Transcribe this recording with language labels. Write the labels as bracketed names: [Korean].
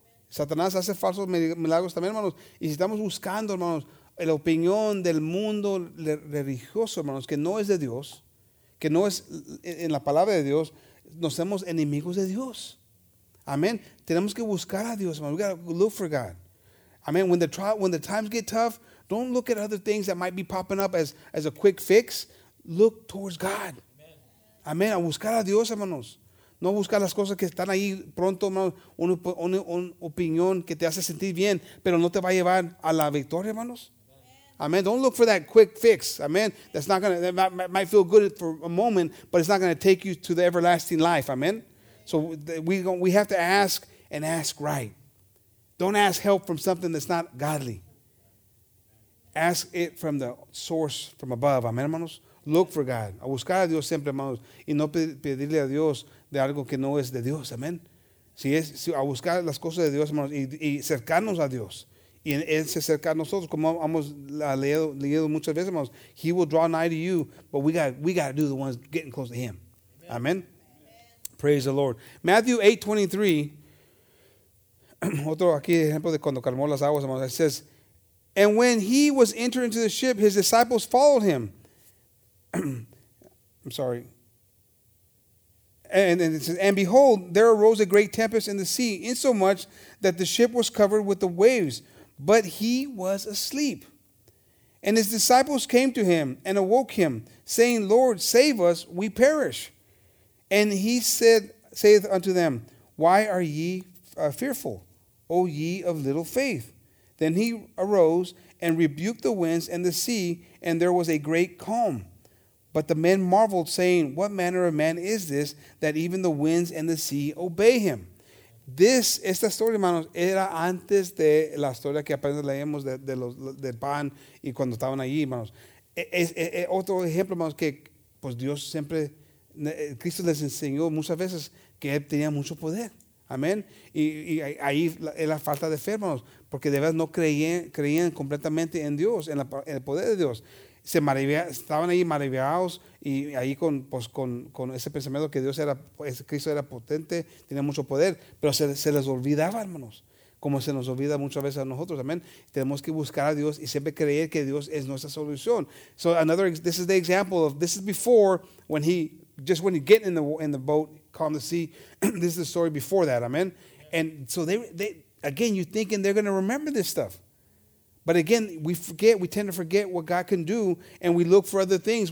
[Spanish] Satanás hace falsos milagros también, hermanos. Y si estamos buscando, hermanos, la opinión del mundo religioso, hermanos, que no es de Dios, que no es en la palabra de Dios, nos hacemos enemigos de Dios. Amén. Tenemos que buscar a Dios, hermanos. [English] We got to look for God. I mean, when the times get tough, don't look at other things that might be popping up as a quick fix. Look towards God. Amen. [Spanish] A buscar a Dios, hermanos. [English] No buscar las cosas que están ahí pronto, una opinión que te hace sentir bien, pero no te va a llevar a la victoria, hermanos. Amen. Don't look for that quick fix. Amen. That might feel good for a moment, but it's not going to take you to the everlasting life. Amen. So we have to ask and ask right. Don't ask help from something that's not godly. Ask it from the source, from above. Amen, [Spanish] hermanos. [English] Look for God. [Spanish] A buscar a Dios siempre, hermanos. Y no pedirle a Dios de algo que no es de Dios. Amen. Si a buscar las cosas de Dios, hermanos, y cercarnos a Dios. Y Él se acerca a nosotros, como hemos leído muchas veces, hermanos. [English] He will draw nigh to you, but we got to do the ones getting close to Him. Amen. Amen. Praise the Lord. Matthew 8:23. [Spanish] Otro aquí ejemplo de cuando calmó las aguas, hermanos. [English] It says, and when he was entered into the ship, his disciples followed him. I'm sorry. And it says, and behold, there arose a great tempest in the sea, insomuch that the ship was covered with the waves. But he was asleep. And his disciples came to him and awoke him, saying, Lord, save us, we perish. And he saith unto them, why are ye fearful, O ye of little faith? Then he arose and rebuked the winds and the sea, and there was a great calm. But the men marveled, saying, what manner of man is this, that even the winds and the sea obey him? [Spanish] Esta historia, hermanos, era antes de la historia que apenas leemos de pan y cuando estaban allí, hermanos. Es otro ejemplo, hermanos, que pues Dios siempre, Cristo les enseñó muchas veces que Él tenía mucho poder. Amén. Y ahí es la falta de fe, hermanos, porque de verdad no creían completamente en Dios, en el poder de Dios. Estaban ahí maravillados y ahí con ese pensamiento que Dios era, pues, Cristo era potente, tenía mucho poder, pero se les olvidaba, hermanos, como se nos olvida muchas veces a nosotros, amén. Tenemos que buscar a Dios y siempre creer que Dios es nuestra solución. [English] So another, this is the example of, this is before, when he get in the boat, calm the sea, this is the story before that, [Spanish] amén. [English] And so they again, you're thinking they're going to remember this stuff. But again, we tend to forget what God can do, and we look for other things.